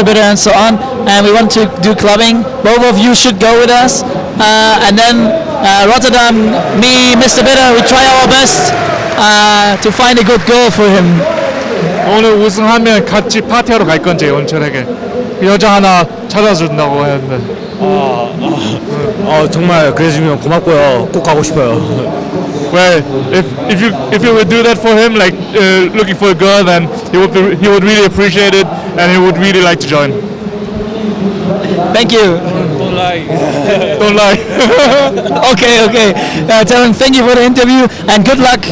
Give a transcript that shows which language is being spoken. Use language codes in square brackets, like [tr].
[en] Bitter and so on, and we want to do clubbing. Both of you should go with us, and then Rotterdam, me, Mr. Bitter, we try our best to find a good girl for him. [ko] 오늘 우승하면 같이 파티하러 갈 건지 온천에게 여자 하나 찾아준다고 했는데 정말 그래주면 고맙고요 꼭 가고 싶어요. [en] Well, if you would do that for him, like looking for a girl, then he would really appreciate it, and he would really like to join. Thank you. Don't lie. Don't lie. Okay, okay. Tell him thank you for the interview and good luck.